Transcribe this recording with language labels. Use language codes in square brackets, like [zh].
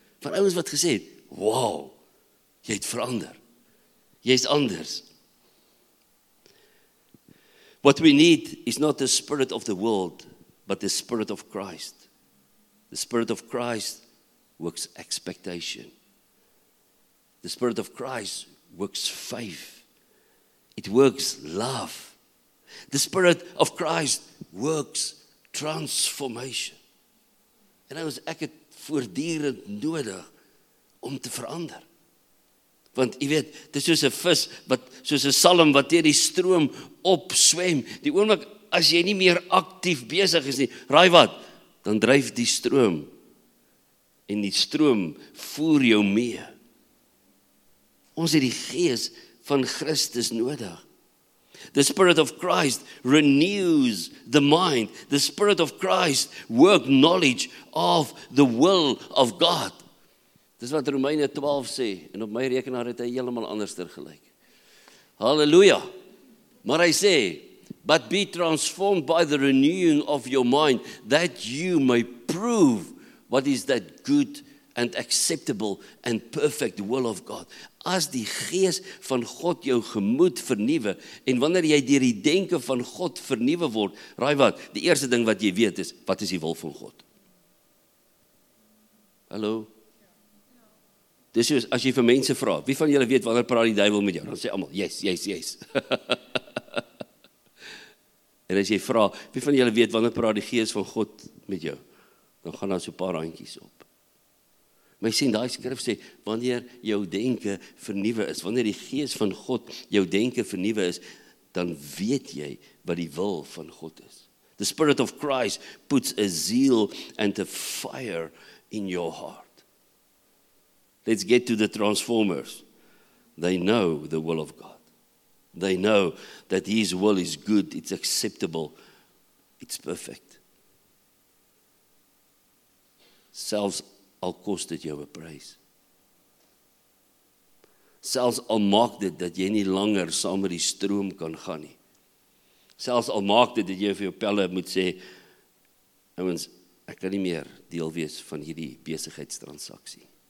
[af] Van ouens wat gesê het, wow, jy het verander. Jy is anders. [en] What we need is not the spirit of the world, but the spirit of Christ. The spirit of Christ works expectation. The spirit of Christ works faith. It works love. The spirit of Christ works transformation. [af] En nou is ek het voortdurend nodig om te verander. Want jy weet, dit is soos 'n vis, wat soos 'n salm wat teen die stroom opswem. Die oomblik, as jy nie meer aktief bezig is nie, raai wat, dan dryf die stroom. En die stroom voer jou mee. Ons het die gees van Christus nodig. [en] The spirit of Christ renews the mind. The spirit of Christ work knowledge of the will of God. [af] Dis wat Romeine 12 sê, en op my rekenaar het hy heeltemal anderster gelyk. Halleluja. Maar hy sê, [en] but be transformed by the renewing of your mind, that you may prove what is that good and acceptable and perfect will of God. [af] As die gees van God jou gemoed vernuwe, en wanneer jy deur die denke van God vernuwe word, raai wat, die eerste ding wat jy weet is, wat is die wil van God? Hallo? Dis soos, as jy vir mense vra, wie van julle weet wanneer praat die duivel met jou? Dan sê almal, [en] yes, yes, yes. [af] En as jy vra, wie van julle weet wanneer praat die gees van God met jou? Dan gaan daar so 'n paar handjies op. Maar jy sien, daai skrif sê, wanneer jou denke vernuwe is, wanneer die gees van God jou denke vernuwe is, dan weet jy wat die wil van God is. [en] The spirit of Christ puts a zeal and a fire in your heart. Let's get to the transformers. They know the will of God. They know that his will is good, it's acceptable, it's perfect. [af] Selfs al kost dit jou 'n prys. Selfs al maak dit dat jy nie langer saam met die stroom kan gaan nie. Selfs al maak dit dat jy vir jou pelle moet sê, ouens, ek kan nie meer deel wees van hierdie besigheidstransaksie.